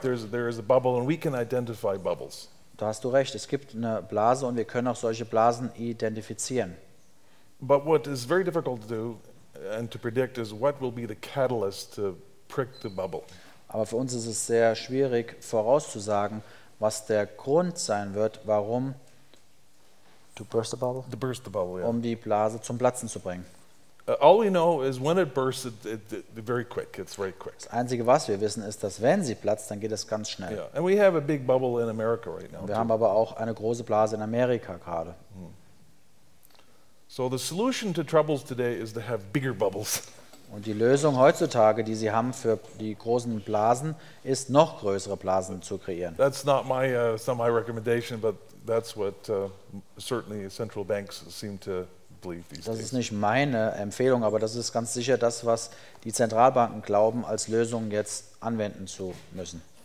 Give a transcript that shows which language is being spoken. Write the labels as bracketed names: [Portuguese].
[English] There is a bubble, and we can identify bubbles. [German] Da hast du recht. Es gibt eine Blase, und wir können auch solche Blasen identifizieren. [English] But what is very difficult to do and to predict is what will be the catalyst to prick the bubble. [German] Aber für uns ist es sehr schwierig vorauszusagen, was der Grund sein wird, warum [English] to burst the bubble, yeah. [German] Um die Blase zum Platzen zu bringen. [English] All we know is when it bursts, it very quick. It's very quick. [German] Das Einzige, was wir wissen, ist, dass wenn sie platzt, dann geht es ganz schnell. Yeah. [English] And we have a big bubble in America right now. [German] Wir haben aber auch eine große Blase in Amerika gerade. [English] So the solution to troubles today is to have bigger bubbles. [German] Und die Lösung heutzutage, die sie haben für die großen Blasen, ist noch größere Blasen zu kreieren. [English] That's not my recommendation, but that's what certainly central banks seem to believe these days. [German] Das ist nicht meine Empfehlung, aber das ist ganz sicher das, was die Zentralbanken glauben, als Lösung jetzt anwenden zu müssen.